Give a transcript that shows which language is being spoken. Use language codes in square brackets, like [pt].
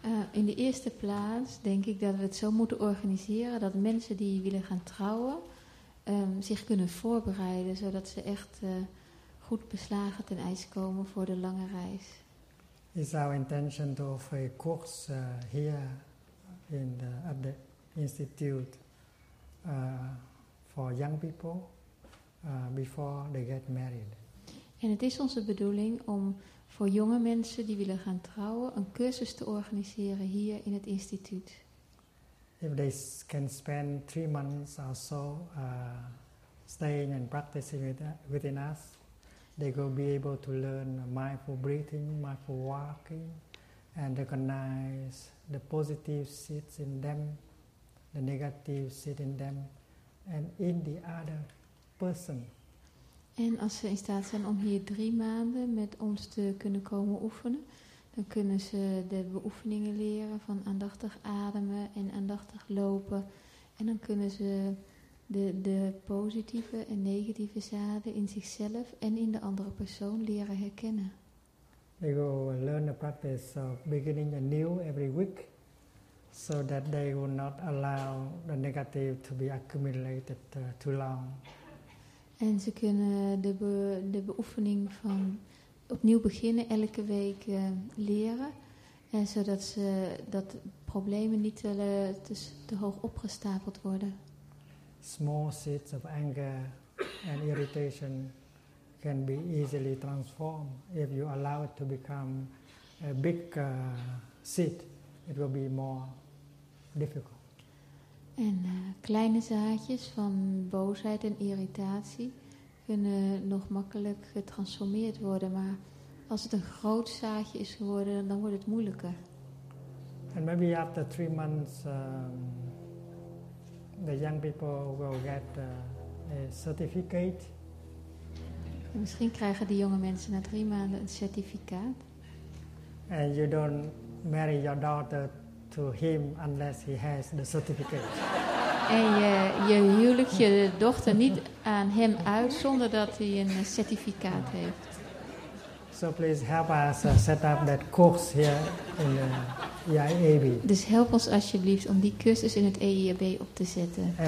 [nl] In de eerste plaats denk ik dat we het zo moeten organiseren dat mensen die willen gaan trouwen zich kunnen voorbereiden, zodat ze echt goed beslagen ten ijs komen voor de lange reis. [en] It's our intention to offer a course here in the update. Institute for young people before they get married. [nl] En het is onze bedoeling om voor jonge mensen die willen gaan trouwen een cursus te organiseren hier in het instituut. [en] If they can spend 3 months or so staying and practicing within us, they will be able to learn mindful breathing, mindful walking, and recognize the positive seeds in them, the negative sit in them and in the other person. [nl] En als ze in staat zijn om hier 3 maanden met ons te kunnen komen oefenen, dan kunnen ze de beoefeningen leren van aandachtig ademen en aandachtig lopen. En dan kunnen ze de positieve en negatieve zaden in zichzelf en in de andere persoon leren herkennen. [en] They will learn the practice of beginning anew every week. so that they will not allow the negative to be accumulated too long. [nl] En ze kunnen de beoefening van opnieuw beginnen elke week leren. En zodat ze dat problemen niet te hoog opgestapeld worden. [en] Small seeds of anger and irritation can be easily transformed. If you allow it to become a big seed, it will be more difficult. [nl] En kleine zaadjes van boosheid en irritatie kunnen nog makkelijk getransformeerd worden, maar als het een groot zaadje is geworden, dan wordt het moeilijker. [en] And maybe after 3 months, the young people will get a certificate. [nl] En misschien krijgen de jonge mensen na 3 maanden een certificaat. [en] And you don't marry your daughter to him unless he has the certificate. [nl] En je huwelijk je dochter niet aan hem uit zonder dat hij een certificaat heeft. [en] So please help us set up that course here in the EIAB. [nl] Dus help ons alsjeblieft om die cursus in het EIAB op te zetten.